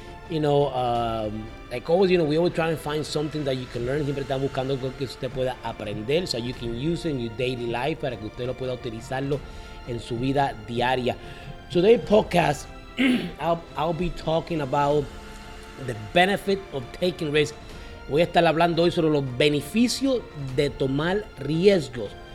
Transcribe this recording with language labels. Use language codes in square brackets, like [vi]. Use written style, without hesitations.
[en] Like always, we always try and find something that you can learn. [es] Siempre está buscando algo que usted pueda aprender. [en] So you can use it in your daily life. [es] Para que usted lo pueda utilizarlo en su vida diaria. [en] Today's podcast, I'll be talking about the benefit of taking risks. [es] Voy a estar hablando hoy sobre los beneficios de tomar riesgos.